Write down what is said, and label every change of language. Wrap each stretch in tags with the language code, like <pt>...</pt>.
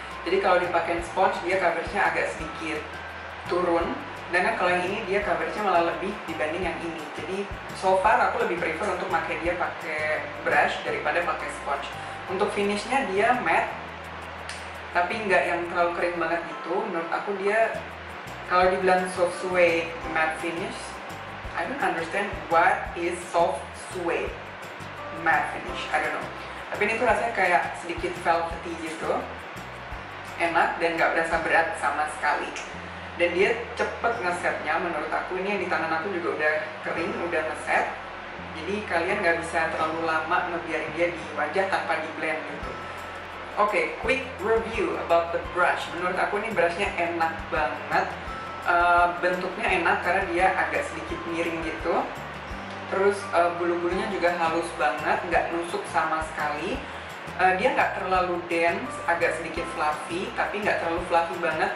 <id>Jadi kalau dipakein sponge, dia coveragenya agak sedikit turun, dan kalau yang ini dia coveragenya malah lebih dibanding yang ini. Jadi</id> <en>so far</en> <id>aku lebih prefer untuk pakai dia pakai brush daripada pakai sponge. Untuk finishnya dia matte, tapi nggak yang terlalu kering banget gitu. Menurut aku dia, kalau dibilang</id> <en>soft suede matte finish, I don't understand what is soft suede matte finish, I don't know.</en> <id>Tapi ini tuh rasanya kayak sedikit velvety gitu. Enak dan gak berasa berat sama sekali. Dan dia cepet ngesetnya menurut aku. Ini yang di tangan aku juga udah kering, udah ngeset. Jadi kalian gak bisa terlalu lama ngebiarin dia di wajah tanpa di blend gitu.</id> <en>Oke, quick review about the brush.</en> <id>Menurut aku ini brushnya enak banget. Bentuknya enak karena dia agak sedikit miring gitu. Terus bulu-bulunya juga halus banget, nggak nusuk sama sekali. Dia nggak terlalu dense, agak sedikit fluffy, tapi nggak terlalu fluffy banget.</id>